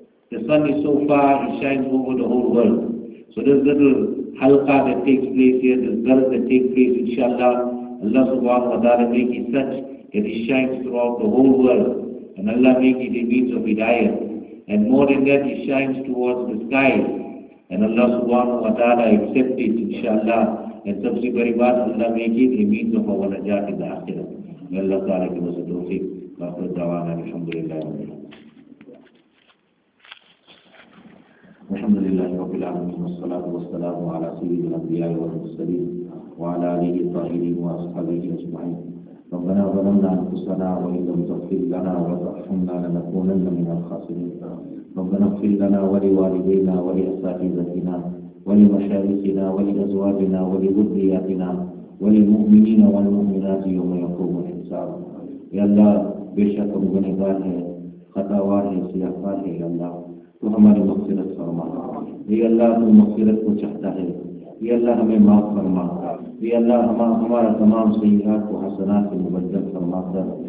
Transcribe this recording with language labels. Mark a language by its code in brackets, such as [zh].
[en] The sun is so far, it shines over the whole world. So this little halqa that takes place here, this dars that takes place, inshallah, Allah subhanahu wa ta'ala make it such that it shines throughout the whole world. And Allah make it a means of hidayah. And more than that, it shines towards the sky. And Allah subhanahu wa ta'ala accept it, inshallah. And subsequently, Allah make it a means of our najat in the akhirah. May Allah ta'ala give us a tawfiq. [ar] وآخر دعوانا الحمد لله رب العالمين. الحمد لله رب العالمين والصلاة والسلام على سيد الأنبياء والمرسلين وعلى آله الطاهرين وأصحابه أجمعين. ربنا ظلمنا أنفسنا وإن لم تغفر لنا وترحمنا لنكونن من الخاسرين. ربنا اغفر لنا ولوالدينا ولأساتذتنا ولمشايخنا ولأزواجنا ولذرياتنا وللمؤمنين والمؤمنات يوم يقوم الحساب. [ur] يا الله بے شک ہم گنہگار ہیں, خطاوار ہیں, سیاہکار ہیں. یا اللہ تو ہماری مغفرت فرما. یا اللہ تو مغفرت کو چاہتا ہے. یا اللہ ہمیں معاف فرما. یا اللہ ہمارا تمام سیئات کو حسنات سے مبدل فرما کر.